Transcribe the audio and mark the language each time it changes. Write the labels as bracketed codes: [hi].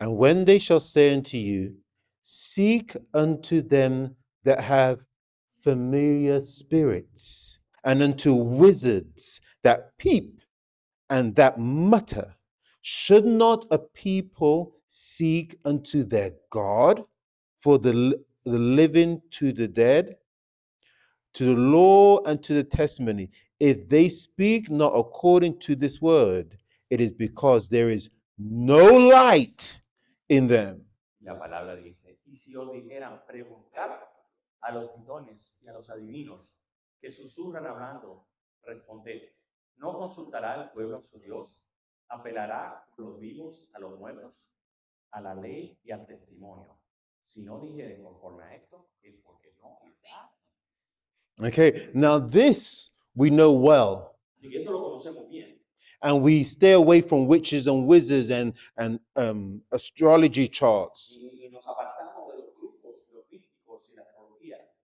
[en] And when they shall say unto you, seek unto them that have familiar spirits, and unto wizards that peep and that mutter, should not a people seek unto their God for the living to the dead, to the law and to the testimony? If they speak not according to this word, it is because there is no light in them. [es] La palabra dice, y si os dijeran preguntar a los pitones y a los adivinos que susurran hablando, responded, ¿no consultará el pueblo a su Dios? ¿Apelará a los vivos, a los muertos, a la ley y al testimonio? Si no dijeren conforme a esto, es porque no está. [en] Okay, now this we know well. [es] Así que esto lo conocemos bien. [en] And we stay away from witches and wizards and astrology charts. [es] Y nos apartamos de los grupos, los místicos y la astrología.